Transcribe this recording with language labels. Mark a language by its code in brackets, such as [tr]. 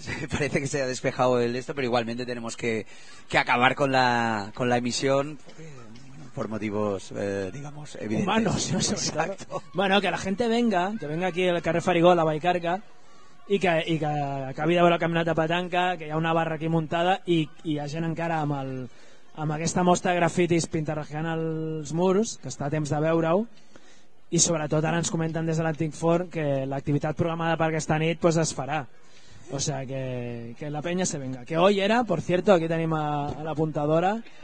[es] Parece que se ha despejado el esto, pero igualmente tenemos que acabar con la emisión... por motivos, digamos, evidentes. Humanos, ¿no? Exacto. Bueno, que la gente venga, que venga aquí [ca] al carrer Farigó, a la Vallcarca, i que acabi de veure el campionat de petanca, que hi ha una barra aquí muntada, i hi ha gent encara amb aquesta mostra de grafitis pintarrajant els murs, que està a temps de veure-ho, i sobretot ara ens comenten des de l'Antic Forn que l'activitat programada per aquesta nit pues, es farà. [es] O sea, que la penya se venga. Que hoy era, por cierto, aquí tenim a la apuntadora...